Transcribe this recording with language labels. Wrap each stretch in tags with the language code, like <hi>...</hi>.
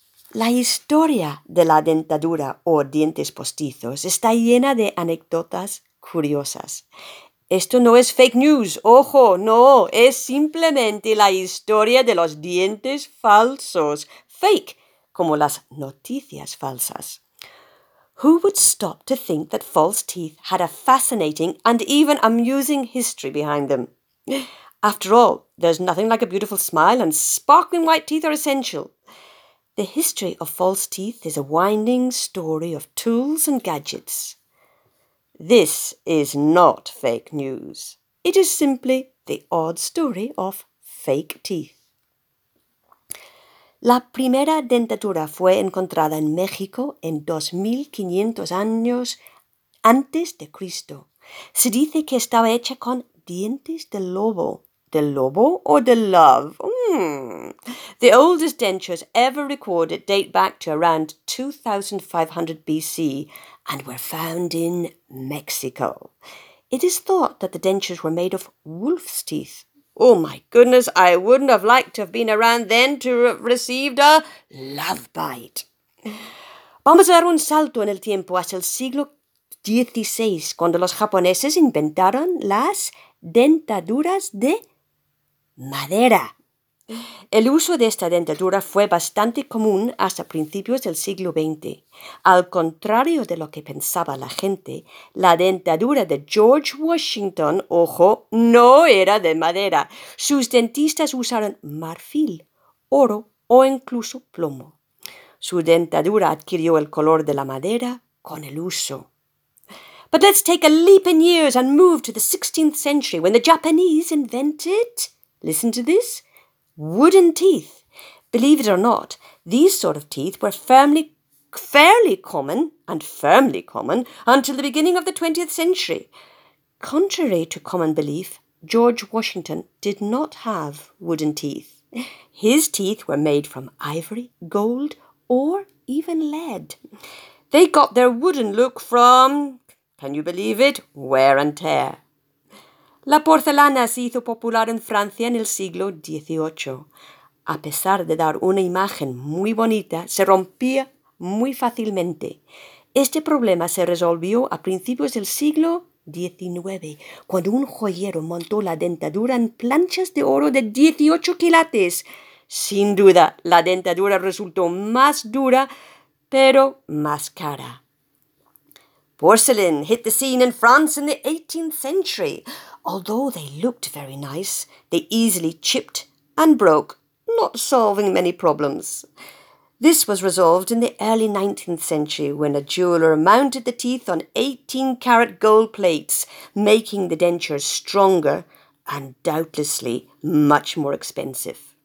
<es>La historia de la dentadura o dientes postizos está llena de anécdotas curiosas. Esto no es fake news, ojo, no, es simplemente la historia de los dientes falsos, fake, como las noticias falsas.</es> <en>Who would stop to think that false teeth had a fascinating and even amusing history behind them? After all, there's nothing like a beautiful smile and sparkling white teeth are essential. The history of false teeth is a winding story of tools and gadgets. This is not fake news. It is simply the odd story of fake teeth.</en> <es>La primera dentadura fue encontrada en México en 2500 años antes de Cristo. Se dice que estaba hecha con dientes de lobo.</es> <en>The lobo or the love? The oldest dentures ever recorded date back to around 2500 BC and were found in Mexico. It is thought that the dentures were made of wolf's teeth. Oh my goodness, I wouldn't have liked to have been around then to have received a love bite.</en> <es>Vamos a dar un salto en el tiempo hasta el siglo XVI, cuando los japoneses inventaron las dentaduras de madera. El uso de esta dentadura fue bastante común hasta principios del siglo XX. Al contrario de lo que pensaba la gente, la dentadura de George Washington, ojo, no era de madera. Sus dentistas usaron marfil, oro o incluso plomo. Su dentadura adquirió el color de la madera con el uso.</es> <en>But let's take a leap in years and move to the 16th century when the Japanese invented, listen to this, wooden teeth. Believe it or not, these sort of teeth were fairly common until the beginning of the 20th century. Contrary to common belief, George Washington did not have wooden teeth. His teeth were made from ivory, gold, or even lead. They got their wooden look from, can you believe it, wear and tear.</en> <es>La porcelana se hizo popular en Francia en el siglo XVIII. A pesar de dar una imagen muy bonita, se rompía muy fácilmente. Este problema se resolvió a principios del siglo 19. Cuando un joyero montó la dentadura en planchas de oro de 18 quilates. Sin duda, la dentadura resultó más dura, pero más cara.</es> <en>Porcelain hit the scene in France in the 18th century. Although they looked very nice, they easily chipped and broke, not solving many problems. This was resolved in the early 19th century when a jeweller mounted the teeth on 18-carat gold plates, making the dentures stronger and doubtlessly much more expensive.</en>